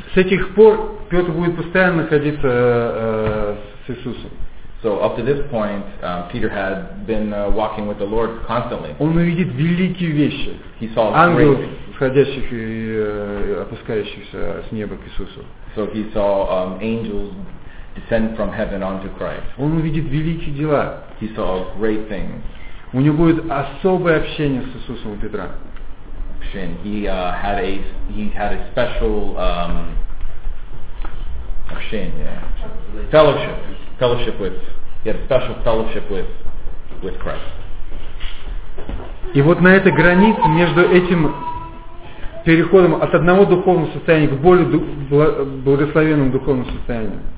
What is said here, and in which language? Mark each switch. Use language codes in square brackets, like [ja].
[ru] С этих пор Петр будет постоянно находиться с Иисусом. [en] So up to this point, Peter had been walking with the Lord constantly. [ru] Он увидит великие вещи. [en] He saw [ru] ангелов, [en] great [ru] сходящих и опускающихся с неба к Иисусу. [en] So he saw angels descend from heaven onto Christ. [ru] Он увидит великие дела. [en] He saw great things. [ru] У него будет особое общение с Иисусом у Петра. [en] He had a special общение, yeah. Fellowship. He had a special fellowship with Christ. [ru] И вот на этой границе между этим переходом от одного духовного состояния к более благословенному духовному состоянию.